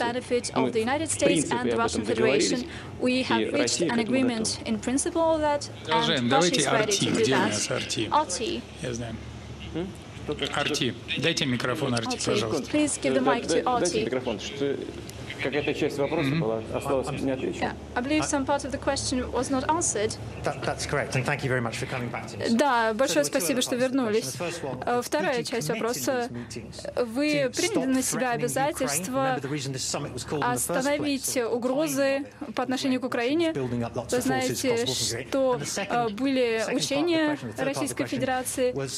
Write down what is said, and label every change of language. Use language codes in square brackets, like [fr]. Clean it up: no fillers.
[ru] Мы, в принципе, об этом договорились. [en] We have reached an agreement in principle of that, and Russia is ready to do that. RT. Yes, then. RT. [ru] Дайте микрофон RT, пожалуйста. [en] Please give the mic to RT. [ru] Дайте микрофон. Какая-то часть вопроса была осталась не отвечена. [en] I believe some part of the question was not answered. That's correct, and thank you very much for coming back to us. [ru] Да, большое спасибо, что вернулись. Вторая часть вопроса. Вы приняли на себя обязательство остановить угрозы по отношению к Украине? Вы знаете, что были учения Российской Федерации?